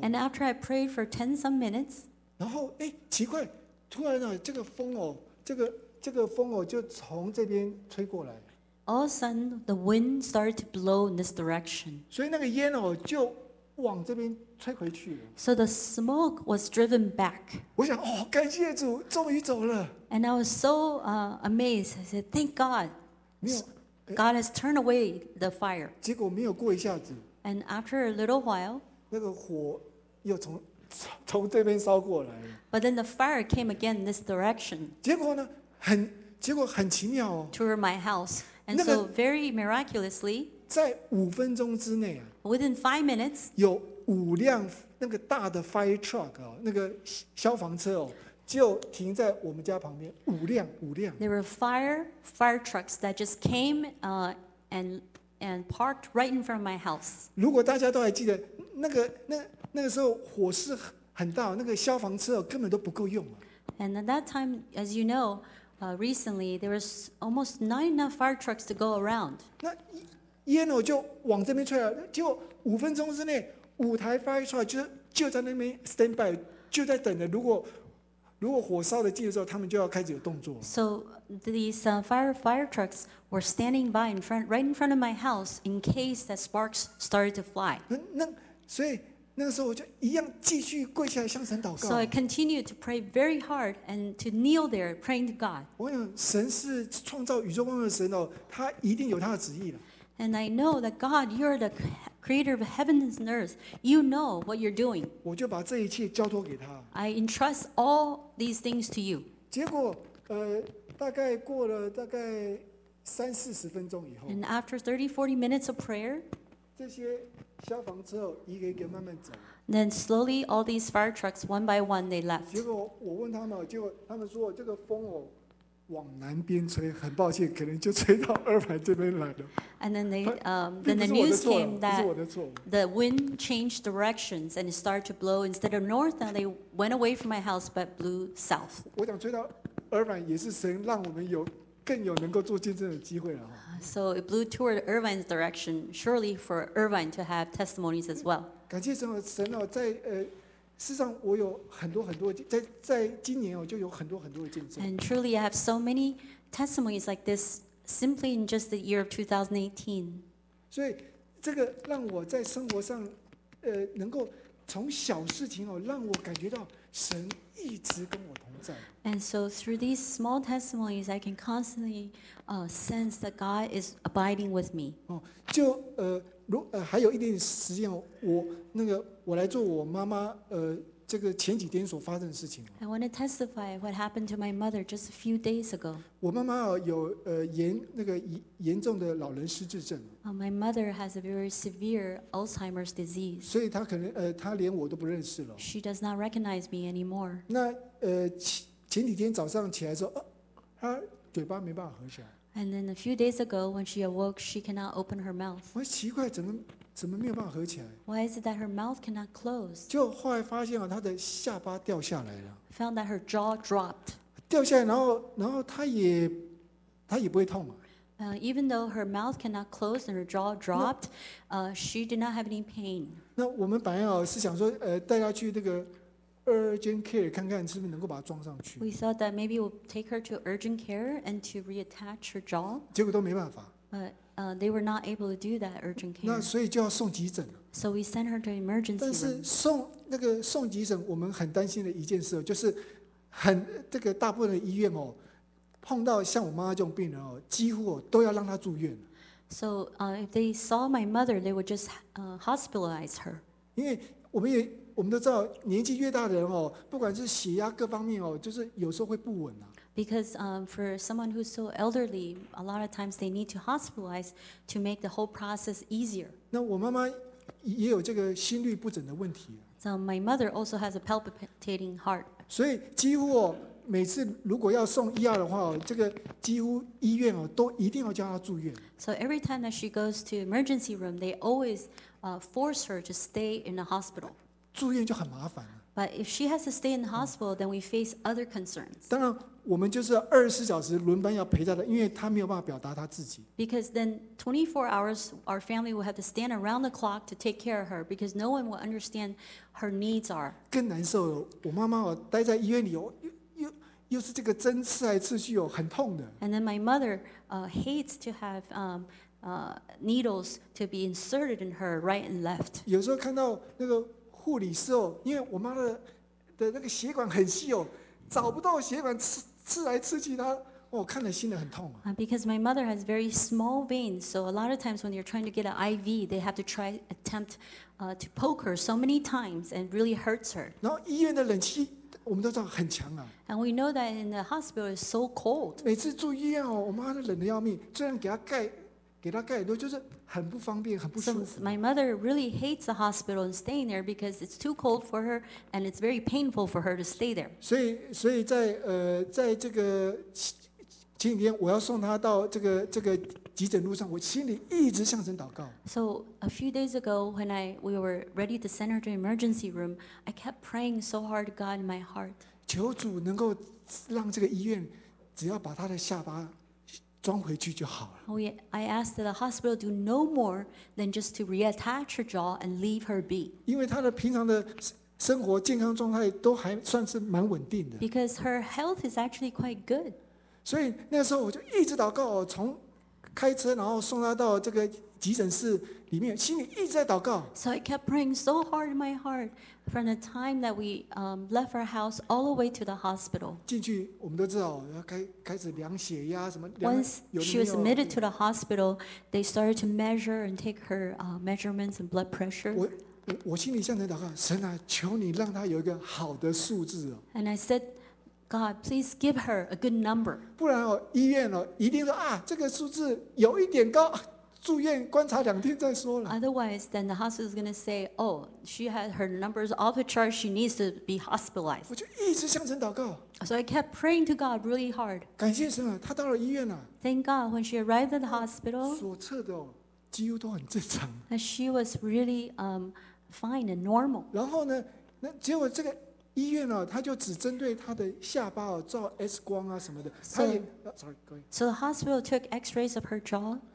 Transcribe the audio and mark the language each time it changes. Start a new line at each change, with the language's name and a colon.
English: And after I prayed for 10-some minutes.
Chinese: 然后奇怪，突然这个风这个风就从这边吹过来。
English: All of a sudden, the wind started to blow in this direction.
Chinese: 所以那个烟哦，就往这边吹回去了。
English: So the smoke was driven back.
Chinese: 我想哦，感谢主，终于走了。
English: And I was so amazed. I said, "Thank God."
Chinese: 没有
English: ，God has turned away the fire.
Chinese: 结果没有过一下子。
English: And after a little while,
Chinese: 那个火又从这边烧过来了。
English: But then the fire came again in this direction.
Chinese: 结果呢，很结果很奇妙哦。
English: Tour my house, and so very miraculously,
Chinese: 在五分钟之内啊
English: ，within 5 minutes,
Chinese: 有五辆那个大的 fire truck 哦，那个消防车哦，就停在我们家旁边，五辆五辆。
English: There were fire trucks that just came, and parked right in front of my house.
Chinese: 如果大家都还记得那个时候火势很大，那个消防车根本都不够用啊。
English: And at that time, as you know, recently there was almost not enough fire trucks to go around.
Chinese: 那烟哦就往这边吹了，结果五分钟之内五台 fire truck 就在那边 stand by， 就在等着。如果火烧的近的时候，他们就要开始有动作。
English: So these fire trucks were standing by right in front of my house in case that sparks started to fly.
Chinese: 所以那个时候我就一样继续跪下来向神祷告。
English: So I continued to pray very hard and to kneel there praying to God.
Chinese: 我想神是创造宇宙万物的神哦，他一定有他的旨意的。
English: And I know that God, you are the creator of heaven and earth. You know what you're doing.
Chinese: 我就把这一切交托给他。
English: I entrust all these things to you.
Chinese: 结果，大概过了大概三四十分钟以后。
English: And after 30-40 minutes of prayer,
Chinese: 这些消防车一个一个慢慢走。
English: Then slowly, all these fire trucks, one by one, they left.
Chinese: 结果我问他们，结果他们说这个风哦。往南边吹，很抱歉，可能就吹到二排这边来了。
English: And then the news came that the wind changed directions and it started to blow instead of north. And they went away from my house but blew south.
Chinese: 我想吹到Irvine也是神让我们有更有能够做见证的机会了。
English: So it blew toward Irvine's direction, surely for Irvine to have testimonies as well.
Chinese: 感谢神哦，神哦，在事实上，我有很多很多在今年我就有很多很多的见证。
English: And truly, I have so many testimonies like this simply in just the year of 2018.
Chinese: 所以，这个让我在生活上，能够从小事情哦，让我感觉到神一直跟我同在。
English: And so through these small testimonies, I can constantly sense that God is abiding with me.
Chinese: 哦，就还有一点时间，我来做我妈妈这个前几天所发生的事情。
English: I want to testify what happened to my mother just a few days ago.
Chinese: 我妈妈有严重的老人失智症。
English: My mother has a very severe Alzheimer's disease.
Chinese: 所以她可能她连我都不认识了。
English: She does not recognize me anymore.
Chinese: 那前几天早上起来的时候，她嘴巴没办法合起来。
English: And then a few days ago, when she awoke, she cannot open her mouth.
Chinese: 我奇怪怎么没有办法合起来。
English: Why is it that her mouth cannot close?
Chinese: 就后来发现她的下巴掉下来了。
English: Found that her jaw dropped.
Chinese: 掉下来，然后她也不会痛啊。
English: Even though her mouth cannot close and her jaw dropped, she did not have any pain.
Chinese: 那我们本来是想说，带她去那个Urgent care， 看看是不是能够把它装上去。
English: We thought that maybe we'll take her to urgent care and to reattach her jaw。
Chinese: 结果都没办法。
English: But they were not able to do that urgent care。
Chinese: 那所以就要送急诊。
English: So we sent her to emergency。
Chinese: 但是送急诊，我们很担心的一件事就是这个大部分的医院哦，碰到像我妈妈这种病人哦，几乎都要让她住院。
English: So if they saw my mother, they would just hospitalize her。
Chinese: 因为我们都知道，年纪越大的人哦，不管是血压各方面哦，就是有时候会不稳啊。
English: Because for someone who's so elderly, a lot of times they need to hospitalize to make the whole process easier.
Chinese: 那我妈妈也有这个心律不整的问题。
English: So my mother also has a palpitating heart.
Chinese: 所以几乎每次如果要送药的话，这个几乎医院都一定要叫她住院。
English: So every time that she goes to emergency room, they always force her to stay in the hospital.
Chinese: 住院就很麻烦了。
English: But if she has to stay in the hospital, then we face other concerns.
Chinese: 当然，我们就是二十四小时轮班要陪在她，因为她没有办法表达她自己。
English: Because then 24 hours, our family will have to stand around the clock to take care of her because no one will understand her needs are.
Chinese: 更难受了，我妈妈待在医院里又是这个针刺来刺去很痛的。
English: And then my mother hates to have needles to be inserted in her right and left.
Chinese: 有时候看到那个。护理师因为我妈 的那个血管很细找不到血管 刺来刺去她看了心里很痛、啊。
English: Because my mother has very small veins, so a lot of times when you're trying to get an IV, they have to attempt to poke her so many times and really hurts her.
Chinese: 然后医院的冷气我们都知道很强啊。
English: And we know that in the hospital is so cold.
Chinese: 每次住医院哦，我妈都冷得要命，这样给她盖。给他盖很多，就是很不方便，很不舒服。
English: So my mother really hates the hospital and staying there because it's too cold for her and it's very painful for her to stay there.
Chinese: 所以在这个前几天，我要送他到这个急诊路上，我心里一直向神祷告。
English: So a few days ago, when we were ready to send her to emergency room, I kept praying so hard to God in my heart.
Chinese: 求主能够让这个医院只要把他的下巴。装回去就好了。
English: I asked that the hospital do no more than just to reattach her jaw and leave her be.
Chinese: 因为她的平常的生活健康状态都还算是蛮稳定的。
English: Because her health is actually quite good.
Chinese: 所以那时候我就一直祷告，从开车然后送她到这个急诊室里面，心里一直在祷告。
English: So I kept praying so hard in my heart from the time that we left our house all the way to the hospital.
Chinese: 进去我们都知道，要开始量血压什么。
English: Once she was admitted to the hospital, they started to measure and take her measurements and blood pressure.
Chinese: 我心里向神祷告，神啊，求你让她有一个好的数字。
English: And I said, God, please give her a good number.
Chinese: 不然哦，医院哦，一定说啊，这个数字有一点高。住院观察两天再说了。
English: Otherwise, then the hospital is going to say, "Oh, she had her numbers off the chart. She needs to be hospitalized."
Chinese: 我就一直向神祷告。
English: So I kept praying to God really hard.
Chinese: 感谢神啊，她到了医院了、啊。
English: Thank God, when she arrived at the hospital,
Chinese: 所测的、哦、几乎都很正常。
English: And she was really fine and normal.
Chinese: 然后呢，那结果这个医院呢、啊，他就只针对她的下巴、哦、照 X 光啊什么的。
English: So the hospital took X-rays of her jaw.